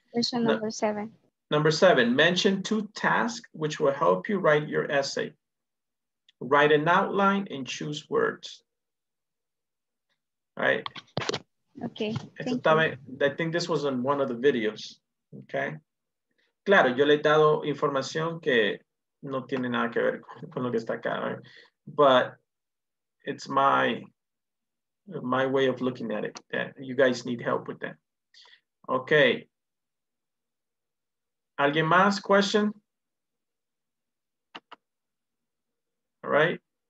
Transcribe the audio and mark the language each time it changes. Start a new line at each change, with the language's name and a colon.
English: Question number seven. Number seven, mention two tasks which will help you write your essay. Write an outline and choose words. All right. Okay. I think this was in one of the videos. Okay.
Spanish: Claro, yo le he dado información que no tiene nada que ver con lo que está acá.
English: Right? But it's my way of looking at it. That you guys need help with that. Okay.
Spanish: ¿Alguien más?
English: Question? All right.